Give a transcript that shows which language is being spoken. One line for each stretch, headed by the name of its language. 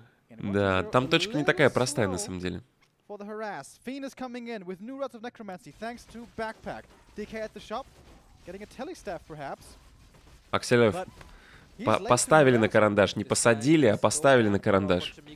Russian: Да, там точка не такая простая, на самом деле.
English: For the harass, Fiend is coming in with new rods of necromancy thanks to backpack. DK at the shop, getting a tele staff perhaps.
Russian: Акселев поставили на карандаш, не посадили, а поставили на карандаш.